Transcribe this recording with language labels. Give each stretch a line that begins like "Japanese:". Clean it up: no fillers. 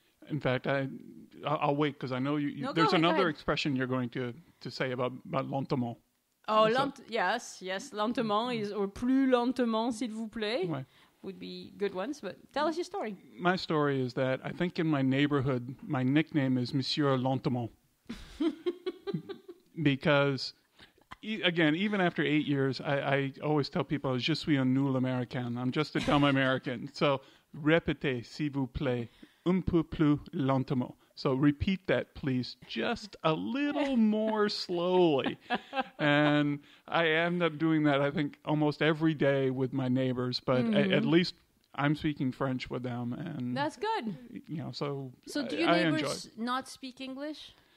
English: In fact, I'll wait because I know there's another expression you're going to say about lentement. Oh, yes, lentement is, or
French: plus lentement s'il vous plaît. Ouais.
English: Would be good ones, but tell us your story. My story is that I think in my neighborhood, my nickname is Monsieur Lentement. Because, again, even after 8 years, I always tell people,
French: je suis un nul américain.
English: I'm just a dumb American.
French: So, répétez, s'il vous plaît, un peu plus lentement.
English: So repeat that, please, just a little more slowly. And I end up doing that, I think, almost every day with my neighbors. But at least I'm speaking French with them. And that's good. You know, so do your neighbors not speak English?